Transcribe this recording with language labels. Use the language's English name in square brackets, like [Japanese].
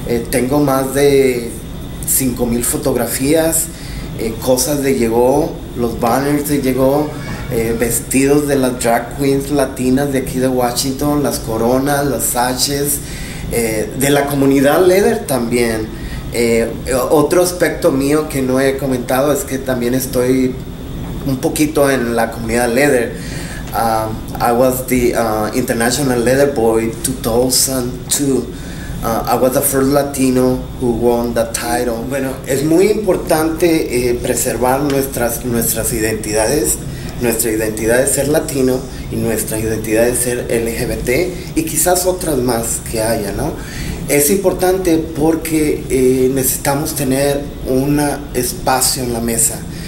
[Spanish] Tengo más de 5,000 fotografías, cosas de Llegó, los banners de Llegó, vestidos de las drag queens latinas de aquí de Washington, las coronas, las sashes, de la comunidad leather también. Otro aspecto mío que no he comentado es que también estoy un poquito en la comunidad leather. [English] I was the International Leather Boy 2002. I was the first Latino who won the title. [Spanish] Bueno, es muy importante preservar nuestras identidades, nuestra identidad de ser latino y nuestra identidad de ser LGBT, y quizás otras más que haya, ¿no? Es importante porque necesitamos tener un espacio en la mesa.